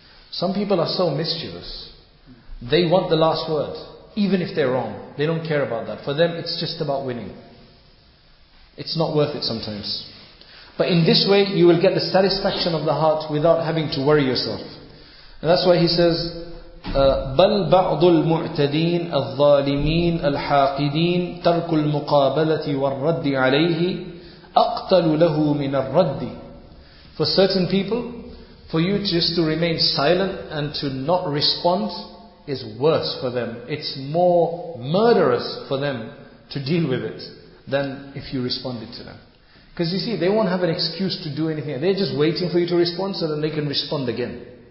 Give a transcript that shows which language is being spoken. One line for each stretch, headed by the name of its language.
English: Some people are so mischievous. They want the last word, even if they're wrong. They don't care about that. For them, it's just about winning. It's not worth it sometimes. But in this way, you will get the satisfaction of the heart without having to worry yourself. And that's why he says,
Arabic: بَلْ بَعْضُ الْمُعْتَدِينَ الظَّالِمِينَ الْحَاقِدِينَ تَرْكُ الْمُقَابَلَةِ وَالرَّدِّ عَلَيْهِ أَقْتَلُ لَهُ مِنَ الرَّدِّ.
English: For certain people, for you just to remain silent and to not respond is worse for them. It's more murderous for them to deal with it than if you responded to them. Because you see, they won't have an excuse to do anything. They're just waiting for you to respond so that they can respond again.